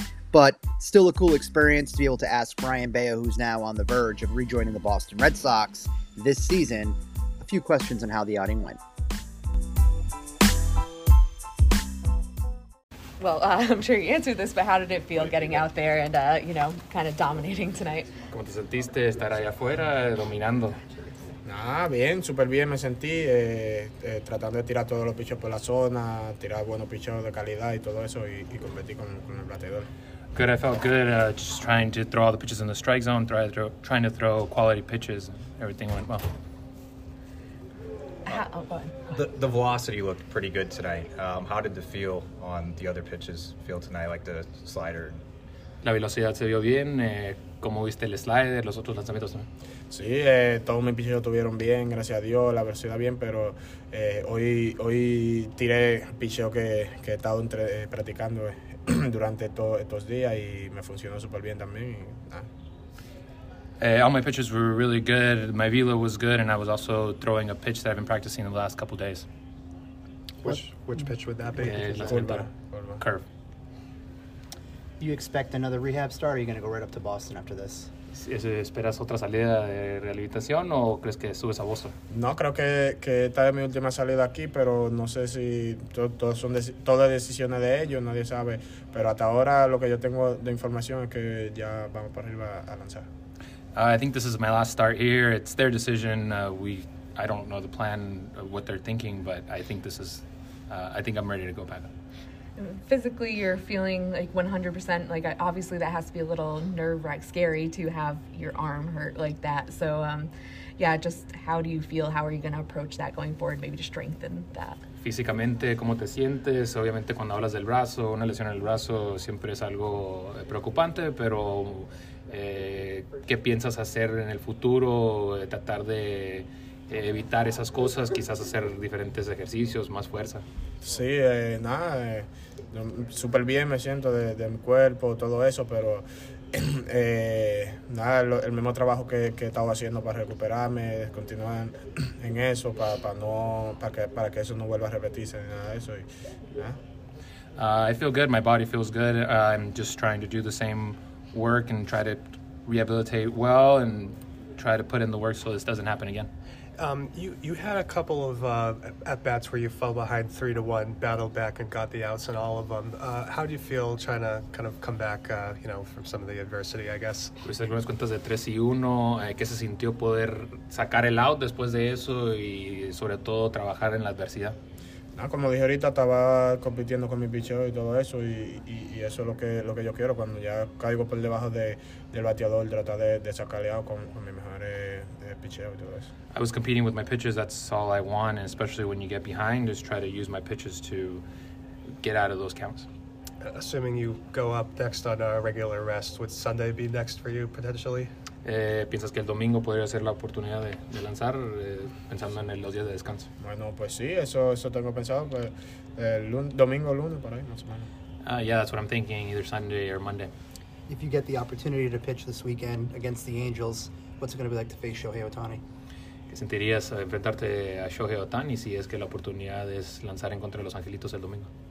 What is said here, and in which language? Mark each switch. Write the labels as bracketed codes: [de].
[en] But still a cool experience to be able to ask Brayan Bello, who's now on the verge of rejoining the Boston Red Sox this season, a few questions on how the outing went. Well, I'm sure you answered this, but how did it feel getting out there and, you know, kind of dominating tonight? [es] ¿Cómo te sentiste estar allá afuera dominando? Ah, bien, súper bien me sentí, tratando de tirar todos los picheos por la zona, tirar buenos picheos de calidad y todo eso, y competir con el bateador. [en] Good, I felt good just trying to throw all the pitches in the strike zone, trying to throw quality pitches, and everything went well. The velocity looked pretty good tonight. How did the feel on the other pitches feel tonight, like the slider? [es] La velocidad se vio bien, como viste el slider, los otros lanzamientos también. Sí, todos mis picheos estuvieron bien, gracias a Dios, la velocidad bien, pero hoy tiré picheo que he estado practicando durante estos días y me funcionó súper bien también. [en] All my pitches were really good, my velo was good, and I was also throwing a pitch that I've been practicing the last couple days. Which pitch would that be? Curve. Do you expect another rehab start, or are you going to go right up to Boston after this? [es] ¿Esperas otra salida de rehabilitación o crees que subes a Boston? No, creo que esta es mi última salida aquí, pero no sé si todas son decisiones de ellos, nadie sabe. Pero hasta ahora lo que yo tengo de información es que ya vamos para arriba a lanzar. [en] I think this is my last start here. It's their decision. I don't know the plan, what they're thinking, but I think this is, I think I'm ready to go back. Physically, you're feeling like 100%. Like, obviously, that has to be a little nerve-wracking, scary to have your arm hurt like that. So, just how do you feel? How are you going to approach that going forward, maybe to strengthen that? [es] Físicamente, ¿cómo te sientes? Obviamente, cuando hablas del brazo, una lesión en el brazo siempre es algo preocupante, pero ¿qué piensas hacer en el futuro? Tratar de evitar esas cosas, quizás hacer diferentes ejercicios, más fuerza. Sí, súper bien me siento de mi cuerpo, todo eso, pero el mismo trabajo que he estado haciendo para recuperarme, continuar en eso, para que eso no vuelva a repetirse ni nada de eso. [en] I feel good, my body feels good. I'm just trying to do the same work and try to rehabilitate well and try to put in the work so this doesn't happen again. You had a couple of at-bats where you fell behind 3-1, battled back and got the outs in all of them. How do you feel trying to kind of come back, from some of the adversity, I guess? [es] Pues algunas cuentas de 3-1, ¿qué se sintió poder sacar el out después de eso y sobre todo trabajar en la adversidad? No, como dije ahorita, estaba compitiendo con mi picheo y todo eso, y eso es lo que yo quiero. Cuando ya caigo por debajo del bateador, tratar de sacarle out con mi mejor picheo y todo eso. [en] I was competing with my pitches, that's all I want, and especially when you get behind, just try to use my pitches to get out of those counts. Assuming you go up next on a regular rest, would Sunday be next for you, potentially? [es] ¿Piensas que el domingo podría ser la oportunidad de lanzar, pensando en los días de descanso? Bueno, pues sí, eso tengo pensado, pues, domingo, lunes, por ahí, más o menos. [en] Yeah, that's what I'm thinking, either Sunday or Monday. if you get the opportunity to pitch this weekend against the Angels, what's it going to be like to face Shohei Ohtani? [es] ¿Qué sentirías enfrentarte a Shohei Ohtani si es que la oportunidad es lanzar en contra de los Angelitos el domingo?